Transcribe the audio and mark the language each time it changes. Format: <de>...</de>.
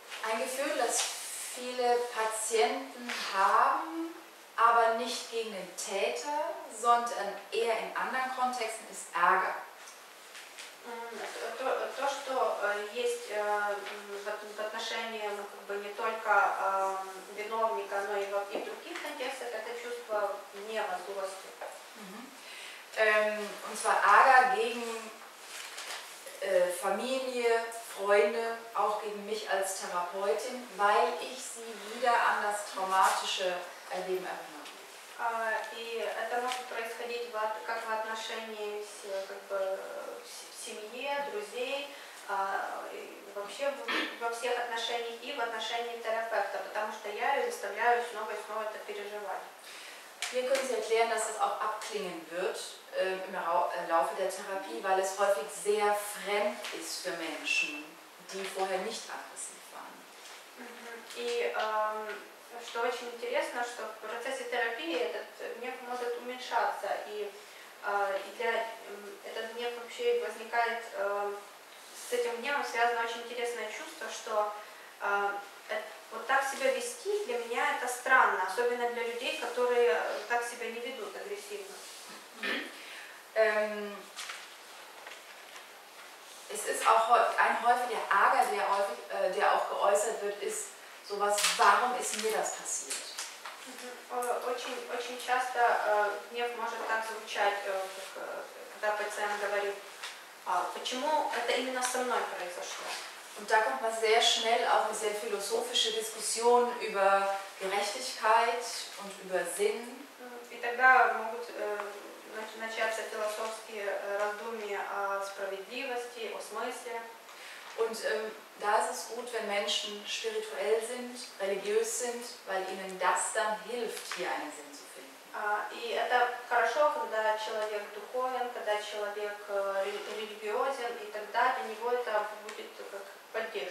<de>Ein Gefühl, das viele Patienten haben, aber nicht gegen den Täter, sondern eher in anderen Kontexten, ist Ärger.</de> <ru>То, что есть в отношении, ну, как бы не только виновника, но и в других контекстах, это чувство гнева, злости.</ru> <de>Und zwar Ärger gegen Familie, Freunde, auch gegen mich als Therapeutin, weil ich sie wieder an das traumatische Erleben erinnere.</de> <ru>И это может происходить в как в отношении с как бы в семье, друзей, вообще во всех отношениях и в отношении терапевта, потому что я ее заставляю снова и снова это переживать.</ru> <de>Wir können Sie erklären, dass es auch abklingen wird im Laufe der Therapie, weil es häufig sehr fremd ist für Menschen, die vorher nicht aggressiv waren.</de> <ru>И что очень интересно, что в процессе терапии этот гнев может уменьшаться, и для этот гнев вообще возникает с этим гневом связано очень интересное чувство, что вот так себя вести для меня это странно, особенно для людей, которые так себя не ведут агрессивно.</ru> <de>Es ist auch ein häufiger Ärger, der auch geäußert wird, ist sowas: Warum ist mir das passiert?</de> <ru>Очень очень часто гнев может так звучать, когда пациент говорит: Почему это именно со мной произошло?</ru> <de>Und da kommt man sehr schnell auf eine sehr philosophische Diskussion über Gerechtigkeit und über Sinn.</de> <ru>И тогда могут начаться философские раздумья о справедливости, о смысле.</ru> <de>Und da ist es gut, wenn Menschen spirituell sind, religiös sind, weil ihnen das dann hilft, hier einen Sinn zu finden.</de> <ru>И это хорошо, когда человек духовен, когда человек религиозен, и тогда для него это будет как</ru>